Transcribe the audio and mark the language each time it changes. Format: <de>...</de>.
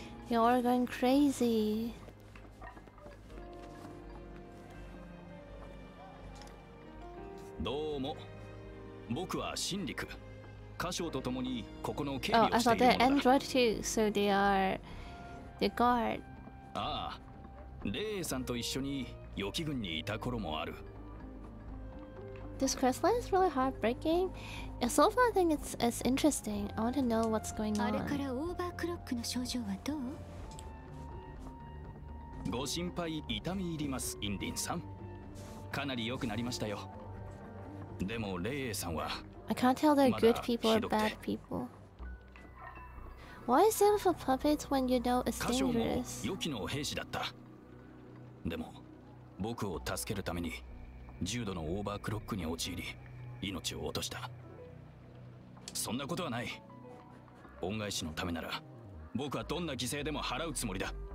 <en>You're going crazy.</en> <ja>どうも。僕はシンリク。カショウと共にここの警備をしているのだ。</ja> <en>Oh, I thought they're android too, so they are the guard.</en> <ja>ああ、レイさんと一緒に予期軍にいた頃もある。</ja> <en>This questline is really heartbreaking. So far, I think it's interesting. I want to know what's going on.</en> <ja>あれからオーバークロックの症状はどう？ご心配痛み入ります、インリンさん。かなり良くなりましたよ。でもレイエさんは、</ja> <en>I can't tell they're good people or bad people. Why is it for puppets when you know it's dangerous?</en> <ja>箇所も予期の兵士だった。でも僕を助けるために重度のオーバークロックに陥り命を落とした。そんなことはない。恩返しのためなら僕はどんな犠牲でも払うつもりだ。</ja>